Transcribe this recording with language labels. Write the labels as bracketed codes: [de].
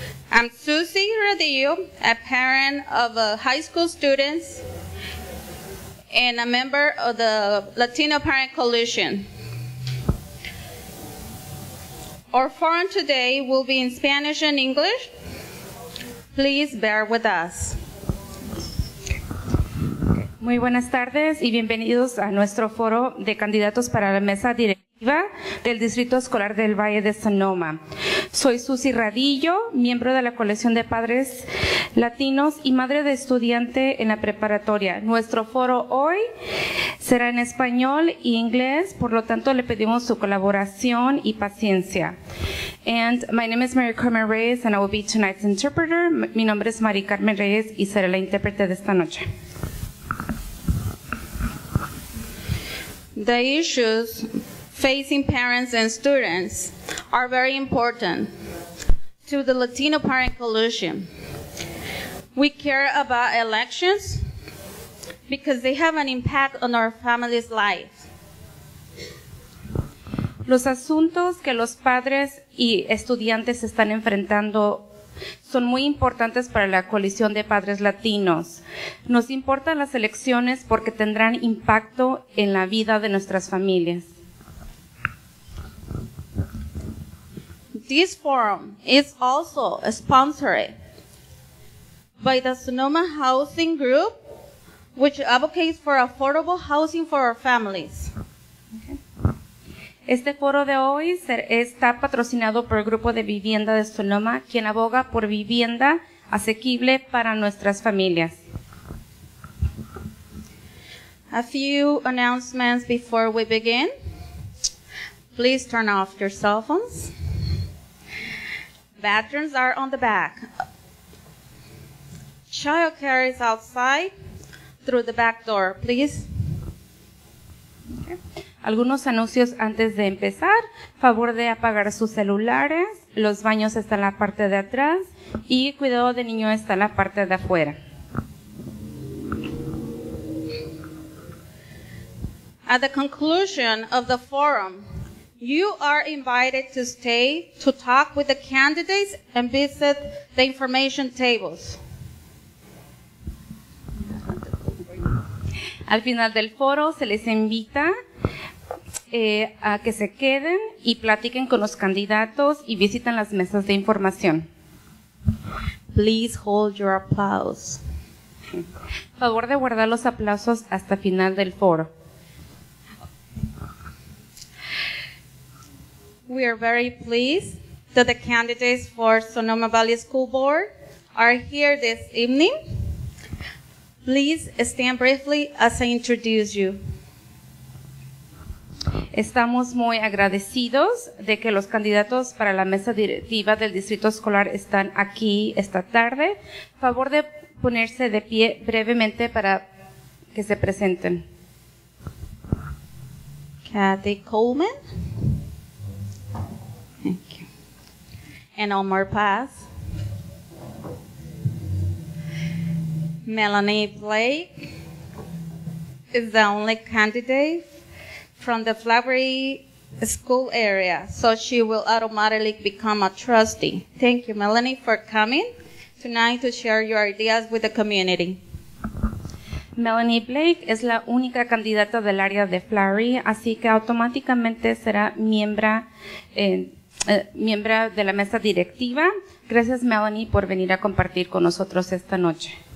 [en] I'm Susie Radillo, a parent of high school students and a member of the Latino Parent Coalition. Our forum today will be in Spanish and English. Please bear with us. [es] Muy buenas tardes y bienvenidos a nuestro foro de candidatos para la mesa directiva del Distrito Escolar del Valle de Sonoma. Soy Susy Radillo, miembro de la Coalición de Padres Latinos y madre de estudiante en la preparatoria. Nuestro foro hoy será en español e inglés, por lo tanto le pedimos su colaboración y paciencia. [en] And my name is Mary Carmen Reyes and I will be tonight's interpreter. [es] Mi nombre es Mary Carmen Reyes y seré la intérprete de esta noche. [en] The issues facing parents and students are very important to the Latino Parent Coalition. We care about elections because they have an impact on our family's life. [es] Los asuntos que los padres y estudiantes están enfrentando son muy importantes para la coalición de padres latinos. Nos importan las elecciones porque tendrán impacto en la vida de nuestras familias. [en] This forum is also sponsored by the Sonoma Housing Group, which advocates for affordable housing for our families. [es] Este foro de hoy está patrocinado por el Grupo de Vivienda de Sonoma, quien aboga por vivienda asequible para nuestras familias. [en] A few announcements before we begin. Please turn off your cell phones. Bathrooms are on the back. Child care is outside through the back door, please. [es] Algunos anuncios antes de empezar. Favor de apagar sus celulares. Los baños están en la parte de atrás. Y cuidado de niño está en la parte de afuera. [en] At the conclusion of the forum, you are invited to stay to talk with the candidates and visit the information tables. [es] Al final del foro se les invita a que se queden y platiquen con los candidatos y visiten las mesas de información. [en] Please hold your applause. [es] Favor de guardar los aplausos hasta final del foro. [en] We are very pleased that the candidates for Sonoma Valley School Board are here this evening. Please stand briefly as I introduce you. [es] Estamos muy agradecidos de que los candidatos para la mesa directiva del distrito escolar están aquí esta tarde. Favor de ponerse de pie brevemente para que se presenten. [en] Kathy Coleman. Thank you. And Omar Paz. Melanie Blake is the only candidate from the Flowery School area, so she will automatically become a trustee. Thank you, Melanie, for coming tonight to share your ideas with the community. [es] Melanie Blake es la única candidata del área de Flowery, así que automáticamente será miembro de la mesa directiva. Gracias, Melanie, por venir a compartir con nosotros esta noche.